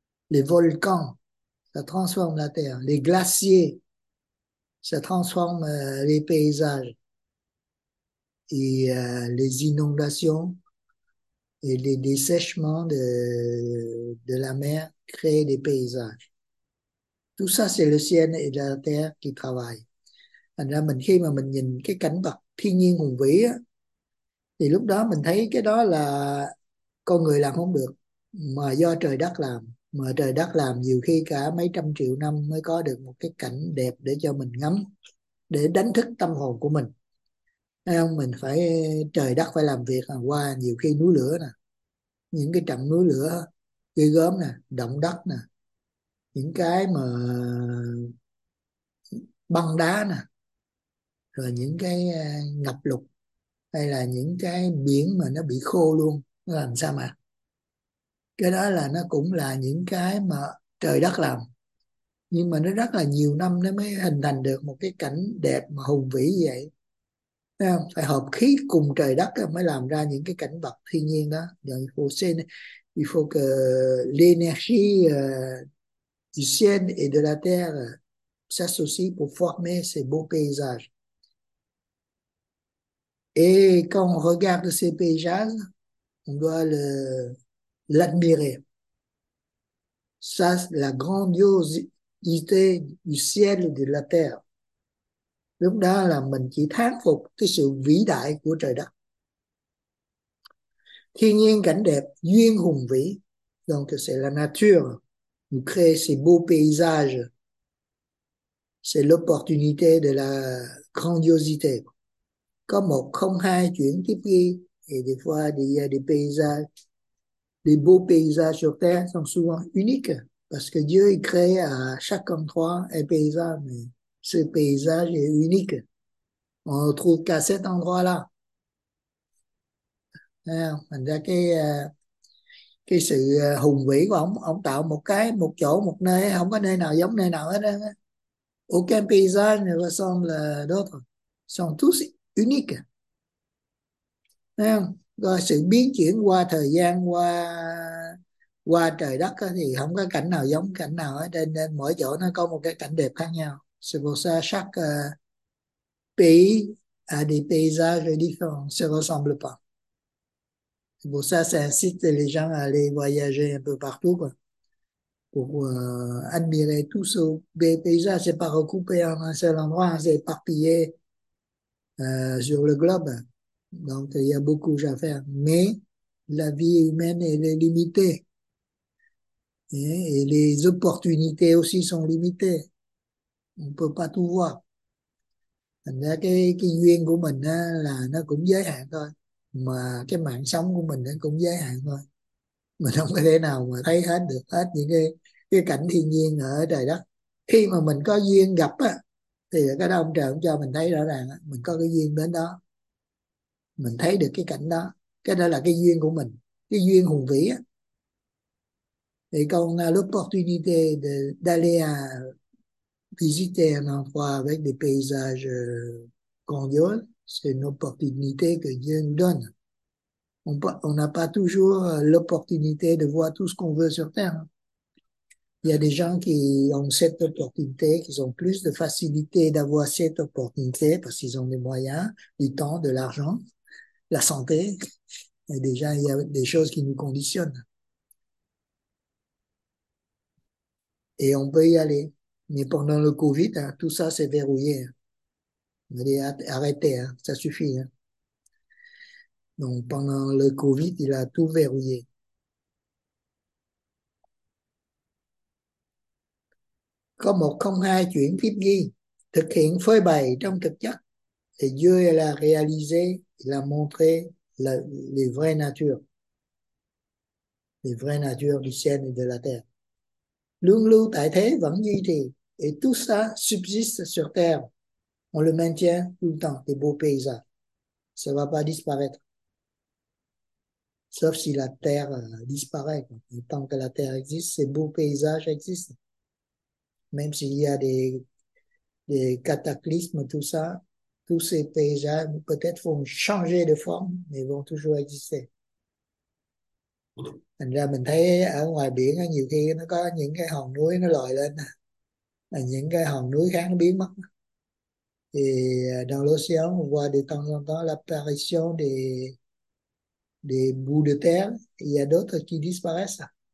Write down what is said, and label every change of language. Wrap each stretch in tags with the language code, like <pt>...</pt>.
<fr>Les volcans, ça transforme la Terre. Les glaciers, ça transforme les paysages. Et les inondations et les dessèchements de la mer créent des paysages. Tout ça, c'est le ciel et la terre qui travaillent.</fr> <vi>Thành ra mình khi mà mình nhìn cái cảnh vật thiên nhiên hùng vĩ á, thì lúc đó mình thấy cái đó là con người làm không được, mà do trời đất làm. Mà trời đất làm nhiều khi cả mấy trăm triệu năm mới có được một cái cảnh đẹp để cho mình ngắm, để đánh thức tâm hồn của mình. Thấy không? Mình phải, trời đất phải làm việc qua nhiều khi núi lửa nè, những cái trận núi lửa ghê gớm nè, động đất nè, những cái mà băng nè, rồi những cái ngập lụt hay là những cái biển mà nó bị khô luôn, nó làm sao mà cái đó là nó cũng là những cái mà trời đất làm, nhưng mà nó rất là nhiều năm nó mới hình thành được một cái cảnh đẹp mà hùng vĩ như vậy. Phải hợp khí cùng trời đất mới làm ra những cái cảnh vật thiên nhiên đó.</vi> <fr>Il faut que l'énergie du ciel et de la terre s'associe pour former ces beaux paysages. Et quand on regarde ces paysages, on doit l'admirer. Ça, c'est la grandiosité du ciel et de la terre.</fr> <vi>Lúc đó là mình chỉ thán phục cái sự vĩ đại của trời đất. Thiên nhiên cảnh đẹp, duyên hùng vĩ.</vi> <fr>Donc c'est la nature nous crée ces beaux paysages. C'est l'opportunité de la grandiosité.</fr> <vi>Có một không hai chuyển tiếp ghi.</vi> <fr>Et des fois, il y a des paysages, des beaux paysages sur Terre sont souvent uniques. Parce que Dieu, il crée à chaque endroit un paysage. Mais ce paysage est unique. on trouve qu'à cet endroit-là.</fr> <vi>Thành ra cái sự hùng vĩ của ông tạo một cái một chỗ một nơi không có nơi nào giống nơi nào hết á.</vi> <fr>Aucun paysage ne ressemble à d'autres. Sont tous uniques.</fr> <vi>Thấy không? Rồi sự biến chuyển qua thời gian qua qua trời đất á, thì không có cảnh nào giống cảnh nào ở trên nên mỗi chỗ nó có một cái cảnh đẹp khác nhau.</vi> <fr>C'est pour ça chaque pays a des paysages différents, se ressemble pas. C'est pour ça ça incite les gens à aller voyager un peu partout quoi. Pour admirer tout ce paysage, c'est pas recoupé en un seul endroit, c'est éparpillé sur le globe. Donc il y a beaucoup à faire, mais la vie humaine elle est limitée et les opportunités aussi sont limitées. On peut pas tout voir.</fr> <vi>Thành ra cái duyên của mình á, là nó cũng giới hạn thôi, mà cái mạng sống của mình nó cũng giới hạn thôi. Mình không có thể nào mà thấy hết được hết những cái cảnh thiên nhiên ở trời đất. Khi mà mình có duyên gặp á thì cái đó ông trời cũng cho mình thấy rõ ràng á, mình có cái duyên đến đó, mình thấy được cái cảnh đó, cái đó là cái duyên của mình, cái duyên hùng vĩ á. Thì còn</vi> <fr>l'opportunité d'aller à visiter un endroit avec des paysages grandioses, c'est une opportunité que Dieu nous donne. On n'a pas toujours l'opportunité de voir tout ce qu'on veut sur Terre. Il y a des gens qui ont cette opportunité, qui ont plus de facilité d'avoir cette opportunité parce qu'ils ont des moyens, du temps, de l'argent, la santé. Et déjà, il y a des choses qui nous conditionnent. Et on peut y aller. Mais pendant le Covid, hein, tout ça s'est verrouillé. On a dit arrêtez, hein, ça suffit. Hein. Donc pendant le Covid, il a tout verrouillé.</fr> <vi>Có một không hai chuyển tiếp ghi, thực hiện phơi bày trong thực chất, thì Dieu là</vi> <fr>réalisé,</fr> <vi>là</vi> <fr>montré</fr> <vi>là</vi> <fr>les vraies natures. Les vraies natures du ciel et de la terre.</fr> <vi>Luôn lưu tại thế vẫn duy trì,</vi> <fr>et tout ça subsiste sur terre. On le maintient tout le temps, des beaux paysages. Ça va pas disparaître. Sauf si la terre disparaît. Et tant que la terre existe, ces beaux paysages existent. Même s'il y a des cataclysmes, tout ça, tous ces paysages peut-être vont changer de forme, mais vont toujours exister.</fr> <vi>Thành ra mình thấy ở ngoài biển nhiều khi nó có những cái hòn núi nó lòi lên, là những cái hòn núi khác nó biến mất.</vi> <fr>Thì dans l'océan, on voit de temps en temps l'apparition des bouts de terre, il y a d'autres qui disparaissent.</fr>